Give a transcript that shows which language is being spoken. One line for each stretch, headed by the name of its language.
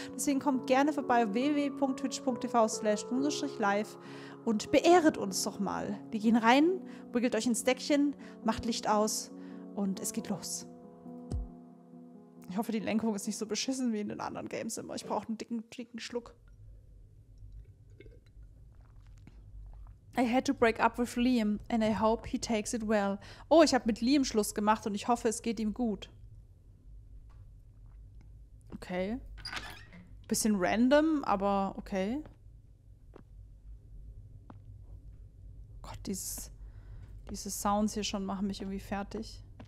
German: Deswegen kommt gerne vorbei auf www.twitch.tv/live und beehret uns doch mal. Wir gehen rein, wickelt euch ins Deckchen, macht Licht aus und es geht los. Ich hoffe, die Lenkung ist nicht so beschissen wie in den anderen Games immer. Ich brauche einen dicken Schluck.
English: I had to break up with Liam and I hope he takes it well.
German: Oh, ich habe mit Liam Schluss gemacht und ich hoffe, es geht ihm gut. Okay. Bisschen random, aber okay. Gott, diese Sounds hier schon machen mich irgendwie fertig.